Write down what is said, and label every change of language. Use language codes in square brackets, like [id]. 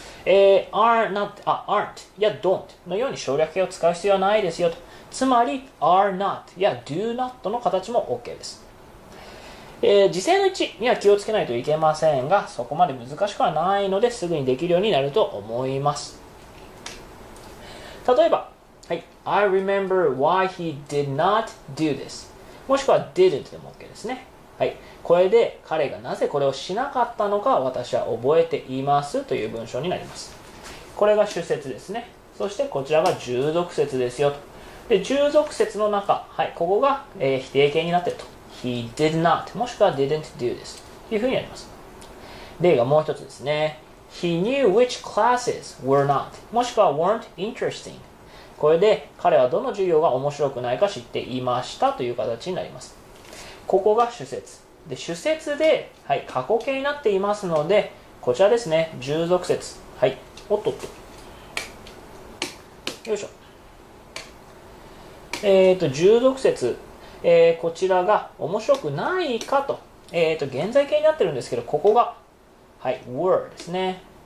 [ja] aren't や don't のように省略形を使う必要はないですよと。つまり are not や do not の形も OK です。時制の位置には気をつけないといけませんが、そこまで難しくはないのですぐにできるようになると思います。例えば、はい、 [en] I remember why he did not do this. [ja] もしくは didn't でも OK ですね。はい。これで彼がなぜこれをしなかったのか私は覚えていますという文章になります。これが主節ですね。そしてこちらが従属節ですよと。で、従属節の中、はい、ここが、否定形になっていると。 [en] he did not [ja] もしくは [en] didn't do this [ja] というふうになります。例がもう一つですね。 [en] he knew which classes were not [ja] もしくは [en] weren't interesting。 [ja] これで彼はどの授業が面白くないか知っていましたという形になります。ここが主節で、主節で、はい、過去形になっていますのでこちらですね、従属節、はい、おっとっとよいしょ、従属節、こちらが面白くないかと、現在形になってるんですけどここが、はい、were ですね。